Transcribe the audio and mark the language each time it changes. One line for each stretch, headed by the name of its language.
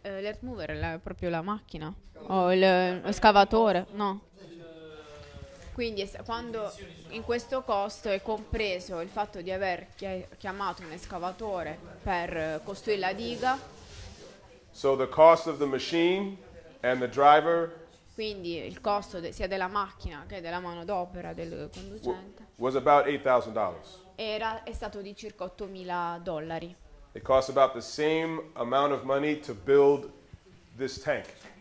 Italian: L'earth mover è proprio la macchina, lo scavatore, no. Quindi quando in questo costo è compreso il fatto di aver chiamato un escavatore per costruire la diga.
English: So the cost of the machine and the driver.
Italian: Quindi il costo sia della macchina che della manodopera del conducente.
English: Was about $8,000.
Italian: È stato di circa $8,000.
English: It costs about the same amount of money to build this tank.